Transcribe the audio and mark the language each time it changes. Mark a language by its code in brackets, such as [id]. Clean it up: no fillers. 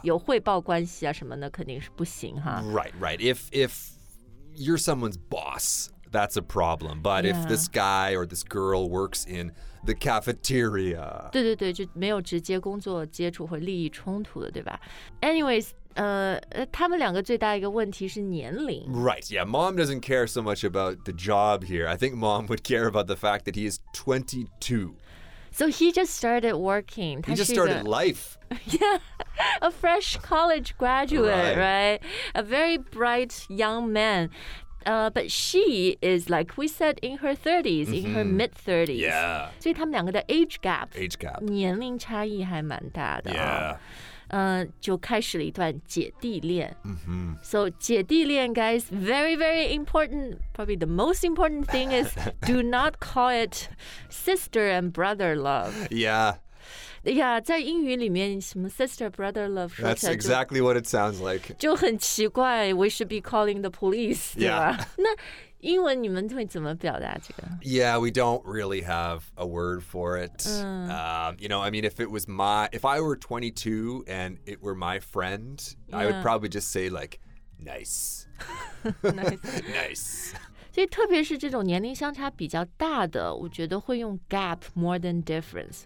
[zh] 有汇报关系啊什么的, 肯定是不行哈。 [en] Right, right. If you're someone's boss, that's a problem. But yeah. if this guy or this girl works in the cafeteria. [zh] 对对对,就没有直接工作接触或利益冲突的,对吧? [en] Anyways, [zh] 他们两个最大一个问题是年龄。 [en] Right, yeah, mom doesn't care so much about the job here. I think mom would care about the fact that he is 22. So he just started working. He just started life. Yeah, a fresh college graduate, right? Right? A very bright young man. But she is, like we said, in her 30s, mm-hmm. in her mid-30s. Yeah. [zh] 所以他们两个的 [en] age gap. Age gap. [zh] 年龄差异还蛮大的。 [en] Yeah. [zh] 就开始了一段姐弟恋。 [en] Mm-hmm. So 姐弟恋, guys, very, very important. Probably the most important thing is do not call it sister and brother love. Yeah. [zh] Yeah, 在英语里面什么 [en] sister brother love. That's exactly what it sounds like. [zh] 就很奇怪, [en] we should be calling the police, yeah. [zh] 那英文你们会怎么表达这个? [en] Yeah, we don't really have a word for it. You know, I mean, if I were 22 and it were my friend, yeah. I would probably just say like, nice. nice. nice. [zh] 所以特别是这种年龄相差比较大的, 我觉得会用 [en] gap more than difference.